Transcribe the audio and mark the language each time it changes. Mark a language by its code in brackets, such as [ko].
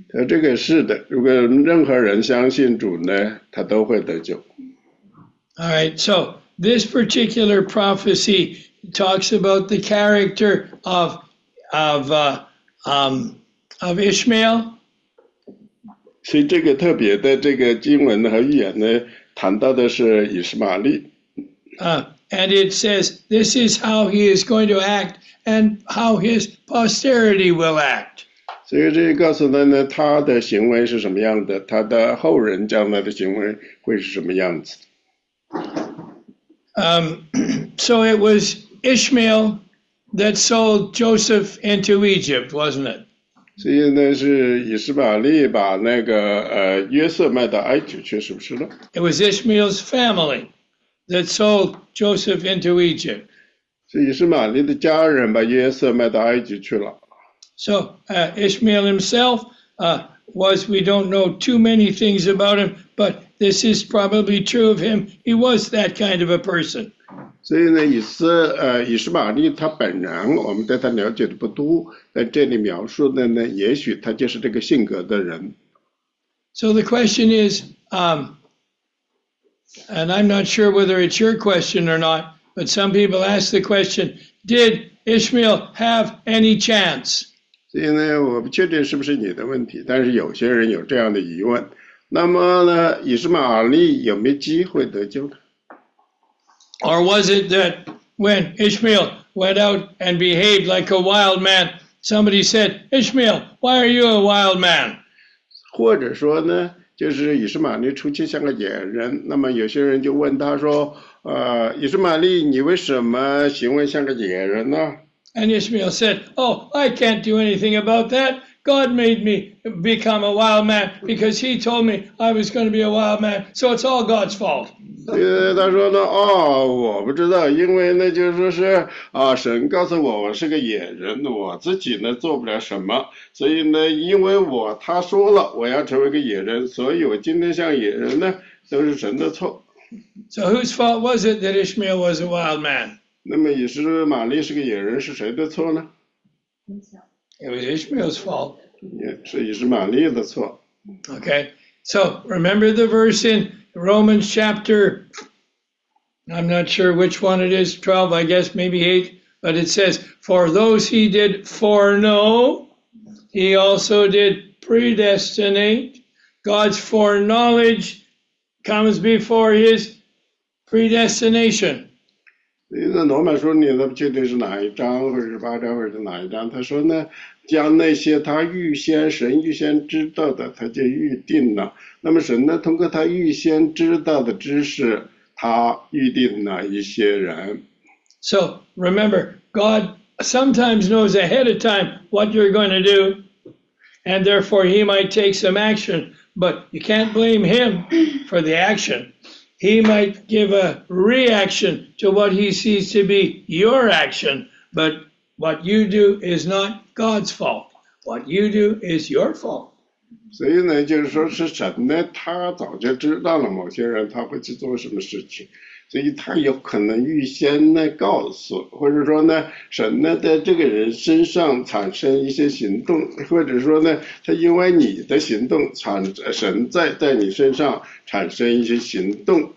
[zh] 这个是的，如果任何人相信主呢，他都会得救。 [en] All right, so this particular prophecy talks about the character of Ishmael. [zh] 所以这个特别的这个经文和预言呢，谈到的是以实玛利。 [en] And it says, this is how he is going to act and how his posterity will act. [zh] 所以这告诉他呢，他的行为是什么样的，他的后人将来的行为会是什么样子。 [en] So it was Ishmael that sold Joseph into Egypt, wasn't it? [zh] 所以呢，是以实玛利把那个约瑟卖到埃及去，是不是呢？ [en] It was Ishmael's family that sold Joseph into Egypt. [zh] 所以是玛利的家人把约瑟卖到埃及去了。 [en] So Ishmael himself was, we don't know too many things about him, but this is probably true of him. He was that kind of a person. [zh] 所以呢，以实玛利他本人，我们对他了解的不多，但这里描述的呢，也许他就是这个性格的人。 [en] So the question is, and I'm not sure whether it's your question or not, but some people ask the question, did Ishmael have any chance? [zh] 所以呢，我不确定是不是你的问题，但是有些人有这样的疑问。那么呢，以实玛利有没有机会得救呢？ [en] Or was it that when Ishmael went out and behaved like a wild man, somebody said, Ishmael, why are you a wild man? [zh] 或者说呢，就是以实玛利出去像个野人，那么有些人就问他说，以实玛利，你为什么行为像个野人呢？ [en] And Ishmael said, oh, I can't do anything about that. God made me become a wild man because he told me I was going to be a wild man. So it's all God's fault. [zh] 他说呢，哦，我不知道，因为呢就是说是啊，神告诉我是个野人，我自己呢做不了什么，所以呢因为我他说了我要成为个野人，所以我今天像野人呢都是神的错。 [en] So whose fault was it that Ishmael was a wild man? [zh] 那么以实玛利是个野人是谁的错呢？ [en] It was Ishmael's fault. [zh] 是以实玛利的错。 [en] Okay, so remember the verse in Romans chapter, I'm not sure which one it is, 12, I guess, maybe 8, but it says, for those he did foreknow, he also did predestinate. God's foreknowledge comes before his predestination. [zh] 那罗马书你都不确定是哪一章，或者是八章，或者是哪一章，他说呢，将那些他预先神预先知道的他就预定了，那么神呢通过他预先知道的知识他预定了一些人。 [en] So remember, God sometimes knows ahead of time what you're going to do, and therefore he might take some action, but you can't blame him for the action. He might give a reaction to what he sees to be your action, butWhat you do is not God's fault. What you do is your fault. [zh] 所以呢，就是说是神呢，他早就知道了某些人他会去做什么事情，所以他有可能预先呢告诉，或者说呢，神呢在这个人身上产生一些行动，或者说呢，他因为你的行动神在你身上产生一些行动。